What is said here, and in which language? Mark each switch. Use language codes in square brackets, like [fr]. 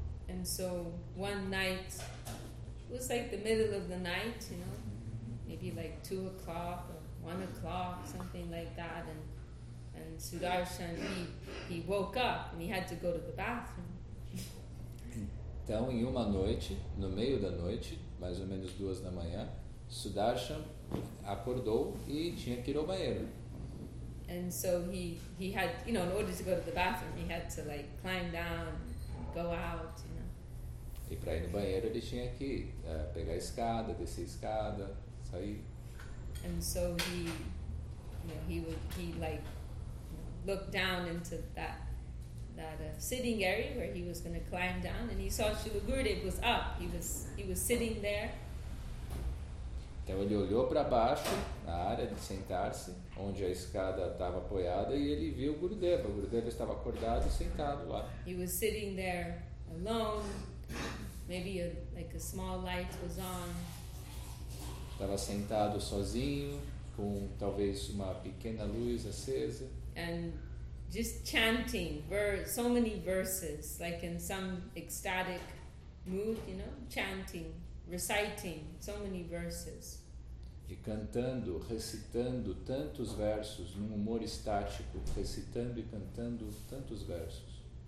[en] And so one night, it was like the middle of the night, maybe like 2 o'clock or 1 o'clock, something like that, and Sudarshan, he woke up and he had to go to the bathroom. [pt] Então, em uma noite, no meio da noite, mais ou menos 2 da manhã, Sudarshan acordou e tinha que ir ao banheiro. And so he had, you know, in order to go to the bathroom, he had to like climb down, go out, you know. E para ir no banheiro ele tinha que pegar a escada, descer a escada, sair. [en] And so he, you know, he like looked down into that sitting area where he was going to climb down, and he saw Srila Gurudev was up. He was sitting there. [pt] Então ele olhou para baixo, na área de sentar-se, onde a escada estava apoiada, e ele viu Gurudeva. O Gurudeva estava acordado e sentado lá. [en] He was sitting there alone. Maybe like a small light was on. [pt] Estava sentado sozinho, com talvez uma pequena luz acesa. [en] And just chanting so many verses, like in some ecstatic mood, you know, chanting. Reciting so many verses. [pt] E cantando, recitando tantos versos, num humor estático, recitando e cantando tantos versos.